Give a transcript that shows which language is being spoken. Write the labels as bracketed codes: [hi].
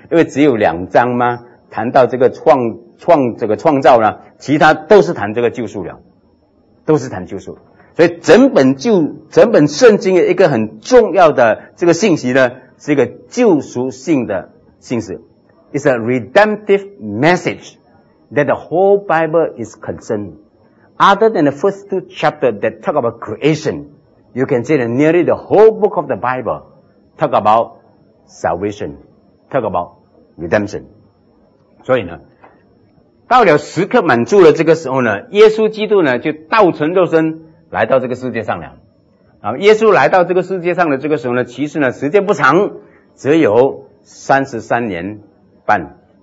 [zh] 因为只有两章吗谈到这个创造呢，其他都是谈这个救赎了，都是谈救赎。所以整本圣经的一个很重要的这个信息呢，是一个救赎性的信息。 [en] It's a redemptive message that the whole Bible is concerned. Other than the first two chapters that talk about creation, you can say that nearly the whole book of the Bible talk about salvation, talk about redemption. [zh] 所以呢，到了时刻满足的这个时候呢，耶稣基督呢就道成肉身来到这个世界上了。啊，耶稣来到这个世界上的这个时候呢，其实呢时间不长，只有33年半。